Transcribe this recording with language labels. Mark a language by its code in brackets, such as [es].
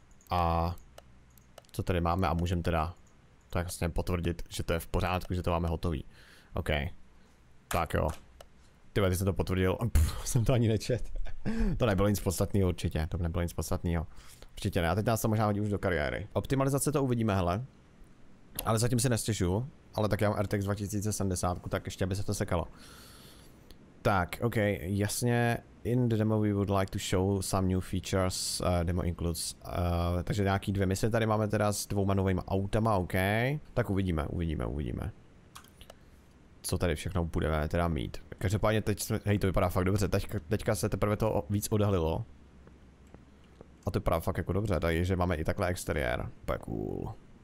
[cs] A co tady máme a můžeme teda to jasně potvrdit, že to je v pořádku, že to máme hotový. OK. Tak jo. Tyhle, ty jsem to potvrdil, jsem to ani nečet. To nebylo nic podstatného určitě, to nebylo nic podstatného. Určitě ne, a teď nás to možná hodí už do kariéry. Optimalizace to uvidíme, hele. Ale zatím si nestěžu, ale tak já mám RTX 2070, tak ještě aby se to sekalo. [en] Tak, OK, jasně, in the demo we would like to show some new features, demo includes. [cs] Takže nějaký dvě mise tady máme teda s dvouma novýma autama, OK. Tak uvidíme. Co tady všechno budeme teda mít. Každopádně teď jsme, hej, to vypadá fakt dobře, teďka se teprve to víc odhalilo. A to vypadá fakt jako dobře, tady, že máme i takhle exteriér. Pěkně, cool.